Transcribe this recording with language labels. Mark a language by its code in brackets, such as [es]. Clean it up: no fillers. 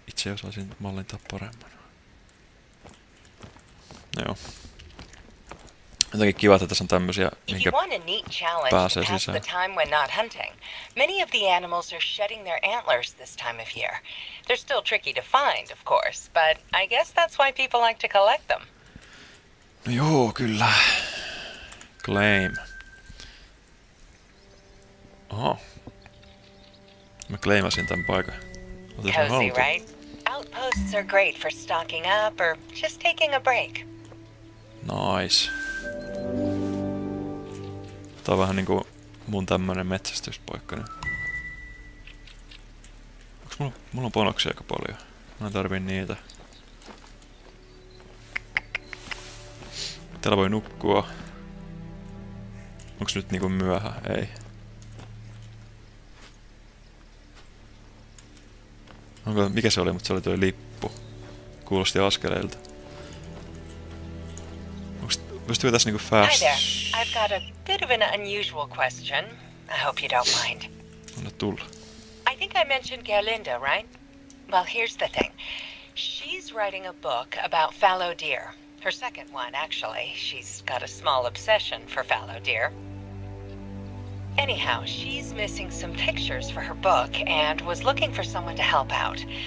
[fi] Itse osaisin mallintaa paremmin. No joo. Jotenkin kiva, että tässä on tämmösiä, minkä pääsee sisään. [en] Time when not hunting. Many of the animals are shedding their antlers this time of year. They're still tricky to find, of course, but I guess that's why people like to collect them. [fi] No joo, kyllä. Claim. Oho. Mä claimasin tämän paikan. [en] Cozy, right? Outposts are great for stocking up or just taking a break. Nice. [fi] Tää on vähän niinku mun tämmönen metsästyspaikka. Onks mulla on bonuksia aika paljon. Mä en tarvii niitä. Täällä voi nukkua. Onks nyt niinku myöhä? Ei. Onko, mikä se oli, mutta se oli toi lippu. Kuulosti askeleilta. Pystyykö tässä niinku fast? [en] Hi there. I've got a bit of an unusual question. I hope you don't mind. [fi] Anna tulla. [en] I think I mentioned Gerlinda, right? Well, here's the thing. She's writing a book about fallow deer. Her second one, actually. She's got a small obsession for fallow deer. Anyhow, she's missing some pictures for her book and was looking for someone to help out.